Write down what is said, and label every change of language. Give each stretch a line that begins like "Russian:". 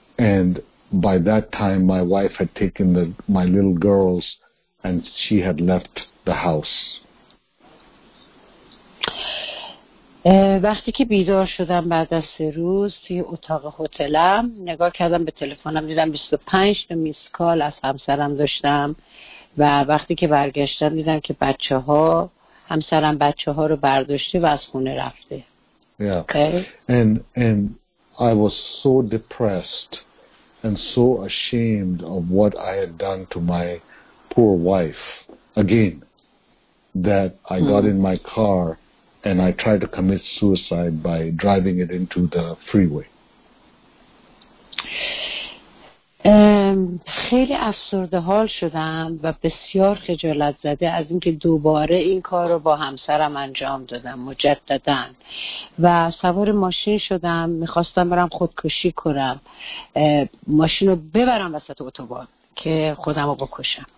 English: And by that time my wife had taken my little girls and she had left the house.
Persian: وقتی که بیدار شدم بعد از 3 روز توی اتاق هتلم، نگاه کردم به تلفنم، دیدم 25 تا میس کال از همسرم داشتم، و وقتی که برگشتم دیدم که بچه ها همسرم بچه ها رو برداشته و از خونه رفته.
English: Yeah. Okay. And I was so depressed and so ashamed of what I had done to my poor wife again that I got in my car and I tried to commit suicide by driving it into the freeway.
Persian: خیلی افسرده حال شدم و بسیار خجالت زده از اینکه دوباره این کار رو با همسرم انجام دادم مجددن و سوار ماشین شدم میخواستم برم خودکشی کنم ماشین رو ببرم وسط اتوبان که خودم رو بکشم.